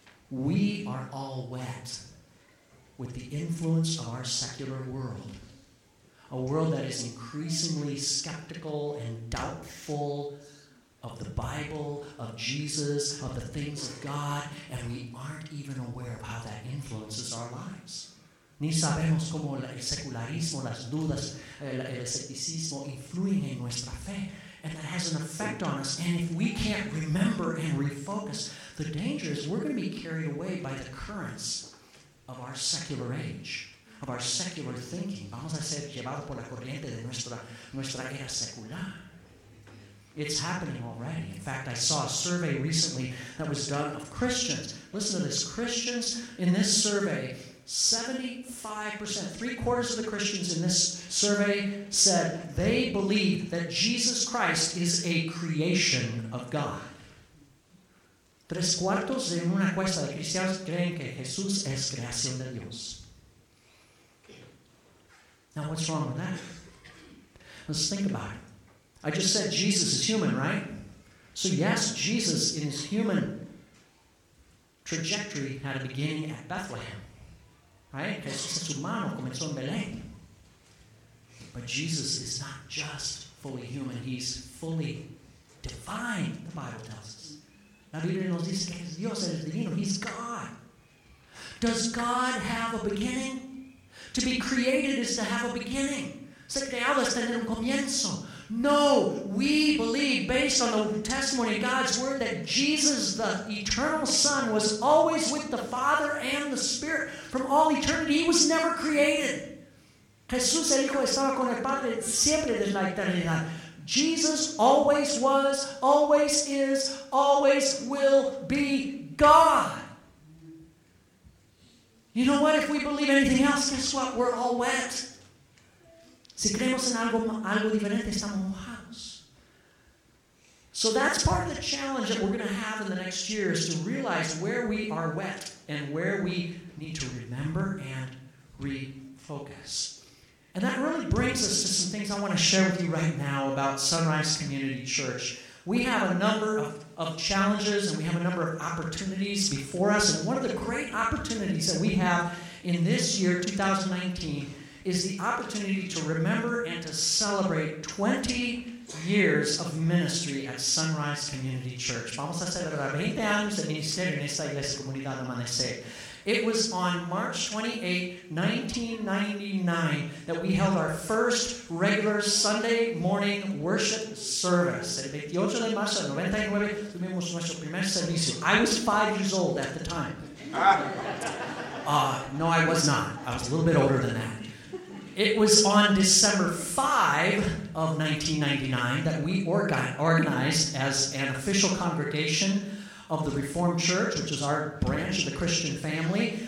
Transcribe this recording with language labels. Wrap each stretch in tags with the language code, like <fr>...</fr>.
<en>We are all wet with the influence of our secular world. A world that is increasingly skeptical and doubtful of the Bible, of Jesus, of the things of God, and we aren't even aware of how that influences our lives.</en> <es>Ni sabemos cómo el secularismo, las dudas, el escepticismo influyen en nuestra fe.</es> <en>And that has an effect on us. And if we can't remember and refocus, the danger is we're going to be carried away by the currents of our secular age, of our secular thinking.</en> <es>Vamos a ser llevados por la corriente de nuestra era secular.</es> <en>It's happening already. In fact, I saw a survey recently that was done of Christians. Listen to this. Christians in this survey, 75%, three-quarters of the Christians in this survey said they believe that Jesus Christ is a creation of God.</en> <es>Tres cuartos de una encuesta de cristianos creen que Jesús es creación de Dios.</es> <en>Now, what's wrong with that? Let's think about it. I just said Jesus is human, right? So yes, Jesus in his human trajectory had a beginning at Bethlehem, right?</en> <es>Jesús humano comenzó en Belén.</es> <en>But Jesus is not just fully human; he's fully divine. The Bible tells us.</en> <es>La Biblia nos dice que Dios es divino.</es> <en>He's God. Does God have a beginning? To be created is to have a beginning.</en> <es>Se creado es tener un comienzo.</es> <en>No, we believe, based on the testimony of God's word, that Jesus, the eternal Son, was always with the Father and the Spirit from all eternity. He was never created.</en> <es>Jesús, el Hijo, estaba con el Padre siempre desde la eternidad.</es> <en>Jesus always was, always is, always will be God. You know what? If we believe anything else, guess what? We're all wet.</en> <es>Si creemos en algo diferente, estamos mojados.</es> <en>So that's part of the challenge that we're going to have in the next year, is to realize where we are wet and where we need to remember and refocus. And that really brings us to some things I want to share with you right now about Sunrise Community Church. We have a number of challenges, and we have a number of opportunities before us. And one of the great opportunities that we have in this year, 2019, is the opportunity to remember and to celebrate 20 years of ministry at Sunrise Community Church.</en> <es>Vamos a celebrar 20 años de ministerio en esta iglesia comunidad Amanecer.</es> <en>It was on March 28, 1999, that we held our first regular Sunday morning worship service.</en> <es>El 28 de marzo de 99 tuvimos nuestro primer servicio.</es> <en>I was 5 years old at the time. No, I was not. I was a little bit older than that. It was on December 5 of 1999 that we organized as an official congregation of the Reformed Church, which is our branch of the Christian family.</en>